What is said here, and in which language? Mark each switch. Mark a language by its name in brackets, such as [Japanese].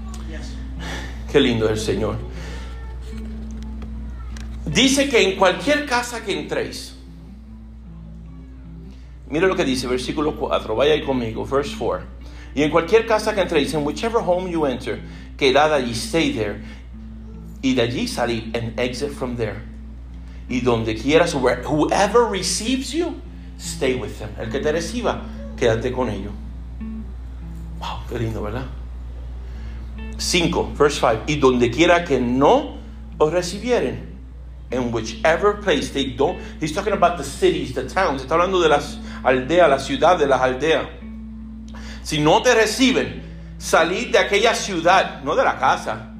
[English] Yes. [Spanish] Qué lindo es el Señor. Dice que en cualquier casa que entréis, mira lo que dice, versículo 4, vaya ahí conmigo, verse 4. Y en cualquier casa que entréis, [English] in whichever home you enter, [Spanish] quedad allí, [English] stay there. [Spanish] Y de allí salid, [English] and exit from there. [Spanish] Y donde quieras, [English] whoever receives you, stay with them. [Spanish] El que te reciba, quédate con ello. Wow, qué lindo, ¿verdad? [English] 5, verse 5. [Spanish] Y donde quiera que no os recibieren, [English] in whichever place they don't, he's talking about the cities, the towns. [Spanish] Está hablando de las aldeas, la ciudad de las aldeas. Si no te reciben, salid de aquella ciudad, no de la casa.